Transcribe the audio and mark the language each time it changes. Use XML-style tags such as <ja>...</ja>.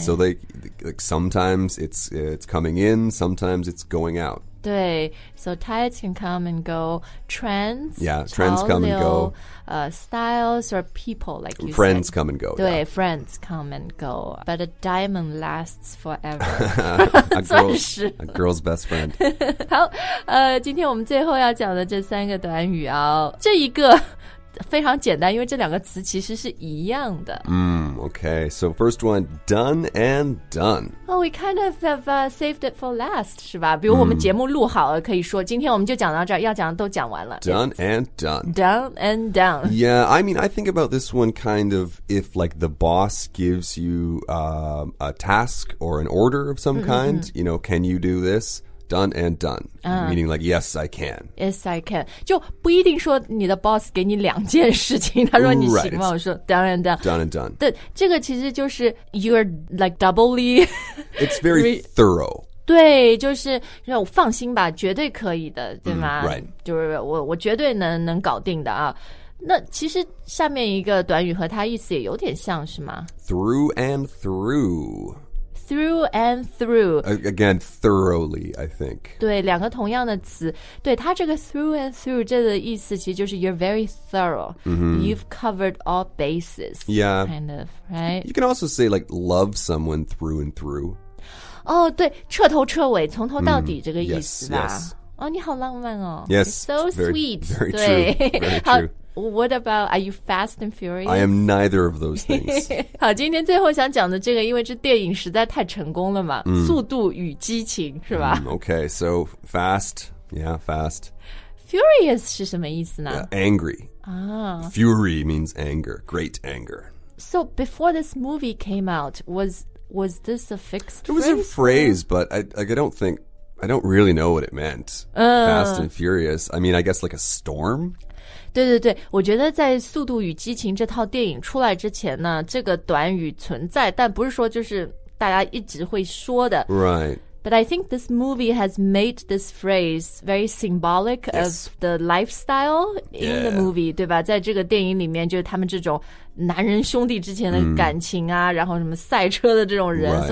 <en>So like sometimes it's coming in, sometimes it's going out.</en> <zh>对</zh> <en>so tides can come and go, trends, yeah, trends</en> <zh>潮流,</zh> <en>come and go, styles or people like you friends said. Come and go,</en> <zh>对、</zh> <en>yeah. friends come and go, but a diamond lasts forever, a girl's best friend.</en> <zh>好，今天我们最后要讲的这三个短语啊，这一个非常简单，因为这两个词其实是一样的。</zh> <en>Okay, so first one, done and done. Well, we kind of have saved it for last,</en> <zh>是吧？比如我们节目录好了，可以说今天我们就讲到这儿，要讲的都讲完了。</zh> <en>Done、It's、and done. Done and done. Yeah, I mean, I think about this one kind of if like the boss gives you a task or an order of some kind, you know, can you do this? Done and done, meaning like, yes, I can. Yes, I can.</en> <zh>就不一定说你的 boss 给你两件事情，他说你行吗？</zh> <en>Right.</en> <zh>我说</zh> <en>done and done. Done and done.</en> <zh>对，这个其实就是</zh> <en>you're like doubly... It's very thorough.</en> <zh>对，就是让我放心吧，绝对可以的，对吗？</zh> <en>Right.</en> <zh>就是我绝对能搞定的啊。那其实下面一个短语和它意思也有点像是吗？</zh> <en>Through and through. Through and through. Again, thoroughly, I think.</en> <zh>对，两个同样的词。对，它这个 through and through 这个意思其实就是</zh> <en>you're very thorough.、You've covered all bases. Yeah. Kind of, right? You can also say like love someone through and through.</en> <zh>对，彻头彻尾，从头到底这个意思吧。</zh> <en>Yes, yes.</en> <zh>你好浪漫哦。</zh> <en>Yes. So sweet. Very, very</en> <zh>对</zh> <en>true. Very true. What about, are you fast and furious? I am neither of those things.</en> <zh>好，今天最后想讲的这个，因为这电影实在太成功了嘛，速度与激情，是吧？</zh> <en>Okay, so fast, yeah, fast.</en> <zh>Furious 是什么意思呢？</zh> <en>Angry. Fury means anger, great anger. So before this movie came out, was this a fixed phrase? It was a phrase, but I don't really know what it meant. Fast and furious. I mean, I guess like a storm?</en> <zh>对对对，我觉得在《速度与激情》这套电影出来之前呢，这个短语存在，但不是说就是大家一直会说的。</zh> <en>Right. But I think this movie has made this phrase very symbolic of the lifestyle in the movie,</en> <zh>对吧？在这个电影里面，就是他们这种男人兄弟之间的感情啊，然后什么赛车的这种人。</zh>